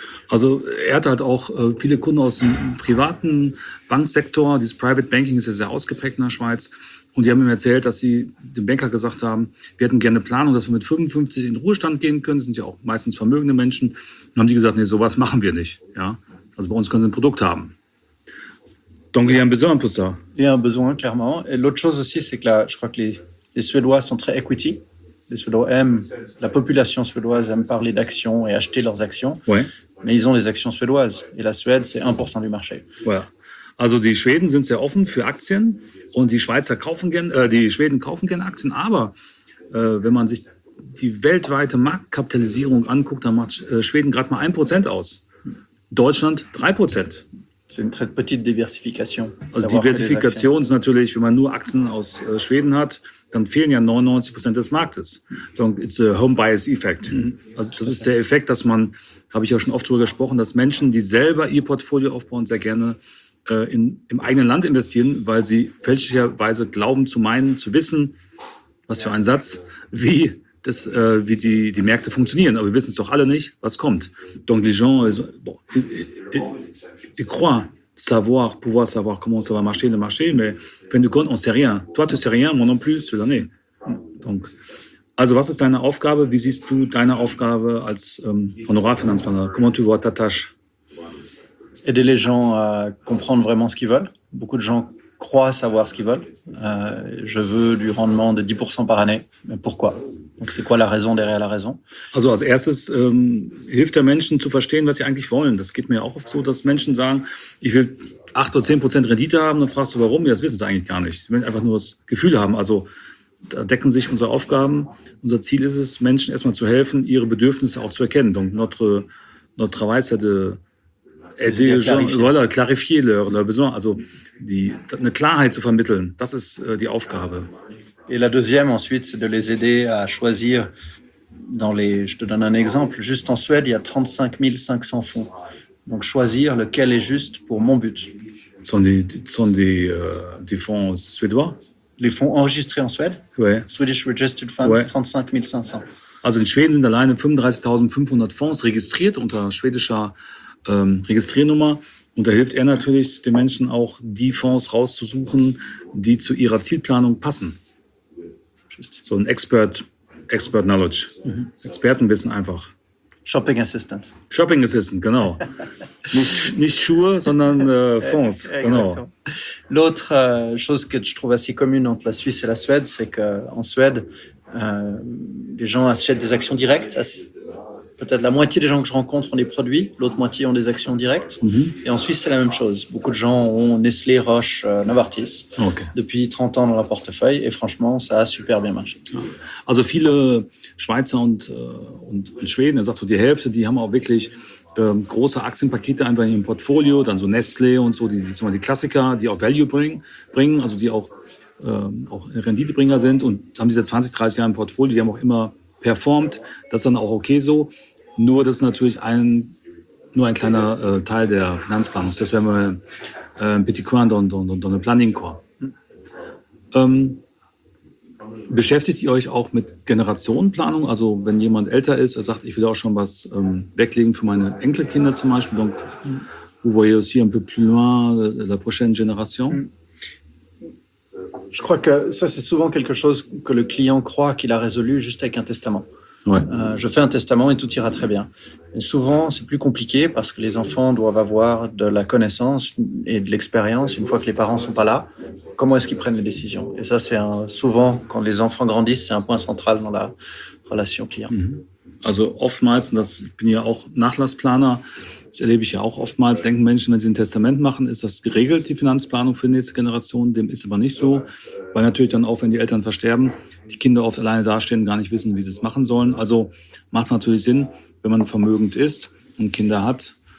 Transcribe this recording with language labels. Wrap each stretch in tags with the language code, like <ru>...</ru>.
<de>Also, er hat halt auch viele Kunden aus dem privaten Banksektor. Dieses Private Banking ist ja sehr ausgeprägt in der Schweiz. Und die haben ihm erzählt, dass sie dem Banker gesagt haben, wir hätten gerne Planung, dass wir mit 55 in Ruhestand gehen können. Das sind ja auch meistens vermögende Menschen. Und haben die gesagt, nee, sowas machen wir nicht. Ja? Also bei uns können sie ein Produkt haben.</de> <fr>Donc, il y a un besoin pour ça. Il y a un besoin, clairement. Et l'autre chose aussi, c'est que là, je crois que les Suédois sont très equity. Les Suédois aiment, la population suédoise aime parler d'actions et acheter leurs actions. Ouais. Mais ils ont les actions suédoises. Et la Suède, c'est 1% du marché. Voilà. Ouais.</fr> <de>Also die Schweden sind sehr offen für Aktien und die Schweizer kaufen gerne, die Schweden kaufen gerne Aktien, aber wenn man sich die weltweite Marktkapitalisierung anguckt, dann macht Schweden gerade mal 1% aus, Deutschland 3%. Das ist eine</de> <fr>très petite Diversification.</fr> <de>Also Diversifikation ist natürlich, wenn man nur Aktien aus Schweden hat, dann fehlen ja 99% des Marktes.</de> <en>So, it's a home bias effect.</en> <de>Also das ist der Effekt, dass man, habe ich auch schon oft drüber gesprochen, dass Menschen, die selber ihr Portfolio aufbauen, sehr gerne im eigenen Land investieren, weil sie fälschlicherweise glauben zu meinen, zu wissen, was für ein Satz, wie die Märkte funktionieren. Aber wir wissen es doch alle nicht, was kommt.</de> <fr>Donc les gens, ils croient savoir, pouvoir savoir comment ça va marcher le marché, mais fin du compte, on sait rien. Toi, tu sais rien, moi non plus, sur l'année.</fr> <de>Donc, also was ist deine Aufgabe? Wie siehst du deine Aufgabe als Honorarfinanzplaner?</de> <fr>Comment tu vois ta tâche? Aider les gens à comprendre vraiment ce qu'ils veulent. Beaucoup de gens croient savoir ce qu'ils veulent. Je veux du rendement de 10% par année. Mais pourquoi? Donc, c'est quoi la raison derrière la raison?</fr> <de>Also, als erstes, hilft der Menschen zu verstehen, was sie eigentlich wollen. Das geht mir auch oft so, dass Menschen sagen, ich will 8 oder 10% Rendite haben. Dann fragst du, warum? Ja, das wissen sie eigentlich gar nicht. Sie wollen einfach nur das Gefühl haben. Also, da decken sich unsere Aufgaben. Unser Ziel ist es, Menschen erstmal zu helfen, ihre Bedürfnisse auch zu erkennen.</de> <fr>Donc, notre Weisheit de aider les gens, voilà, clarifier leurs besoins,</fr> <de>also eine Klarheit zu vermitteln, das ist die Aufgabe.</de> <fr>Et la deuxième ensuite, c'est de les aider à choisir dans les, je te donne un exemple, juste en Suède, il y a 35 500 fonds. Donc choisir lequel est juste pour mon but. Sont des fonds suédois? Les fonds enregistrés en Suède? Ouais.</fr> <en>Swedish Registered Funds, ouais. 35 500.</en> <de>Also in Schweden sind alleine 35 500 Fonds registriert unter schwedischer Registriernummer und da hilft er natürlich den Menschen auch, die Fonds rauszusuchen, die zu ihrer Zielplanung passen. So ein Expert Knowledge. Expertenwissen einfach.</de> <en>Shopping Assistant.</en> <de>Shopping Assistant, genau. nicht Schuhe, sondern Fonds. Genau.</de> <fr>L'autre chose que je trouve assez commune entre la Suisse et la Suède, c'est qu'en Suède, les gens achètent des actions directes. Peut-être la moitié des gens que je rencontre ont des produits, l'autre moitié ont des actions directes. Mm-hmm. Et en Suisse, c'est la même chose. Beaucoup de gens ont Nestlé, Roche, Novartis depuis 30 ans dans leur portefeuille. Et franchement, ça a super bien marché.</fr> <de>Also viele Schweizer und Schweden, er sagt so die Hälfte, die haben auch wirklich große Aktienpakete einfach in ihrem Portfolio. Dann so Nestlé und so, die Klassiker, die auch Value bringen, also die auch Renditebringer sind. Und haben diese 20, 30 Jahre im Portfolio, die haben auch immer performt, das ist dann auch okay so. Nur das ist natürlich nur ein kleiner Teil der Finanzplanung. Das wäre mal ein</de> <fr>petit coin dans le planning quoi.</fr> <de>Beschäftigt ihr euch auch mit Generationenplanung? Also wenn jemand älter ist, er sagt, ich will auch schon was weglegen für meine Enkelkinder zum Beispiel.</de> <fr>Donc, vous voyez aussi un peu plus loin la prochaine génération? Je crois que ça, c'est souvent quelque chose que le client croit qu'il a résolu juste avec un testament. Ouais. Je fais un testament et tout ira très bien. Mais souvent, c'est plus compliqué parce que les enfants doivent avoir de la connaissance et de l'expérience une fois que les parents ne sont pas là. Comment est-ce qu'ils prennent les décisions? Et ça, c'est souvent, quand les enfants grandissent, c'est un point central dans la relation client.</fr> <de>Also oftmals, und das, ich bin ja auch Nachlassplaner, das erlebe ich ja auch oftmals, denken Menschen, wenn sie ein Testament machen, ist das geregelt, die Finanzplanung für die nächste Generation. Dem ist aber nicht so, weil natürlich dann auch, wenn die Eltern versterben, die Kinder oft alleine dastehen, gar nicht wissen, wie sie es machen sollen. Also macht es natürlich Sinn, wenn man vermögend ist und Kinder hat.</de>